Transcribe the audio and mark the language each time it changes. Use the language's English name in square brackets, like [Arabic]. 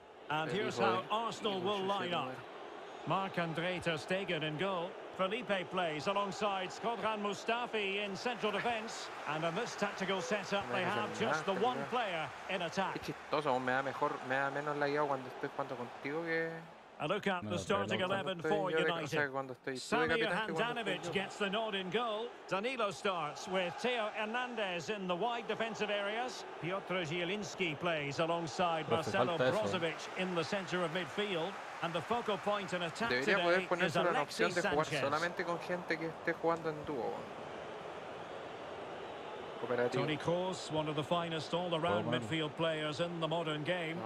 [English] And here's how Arsenal will line up. Marc-Andre ter Stegen in goal. Felipe plays alongside Skodran Mustafi in central defence. And in this tactical setup, they have just the one player in attack. [Spanish] Qué chistoso, me da mejor, me da menos la idea cuando estoy jugando contigo que. [English] A look at the starting 11 for United. Sami Handanovic gets the nod in goal. Danilo starts with Theo Hernandez in the wide defensive areas. Piotr Zielinski plays alongside Marcelo Brozovic in the center of midfield. And the focal point in attack today is Alexis Sanchez. [Spanish] Solamente con gente que esté jugando en dúo. [English] Tony Kroos, one of the finest all-around midfield players in the modern game.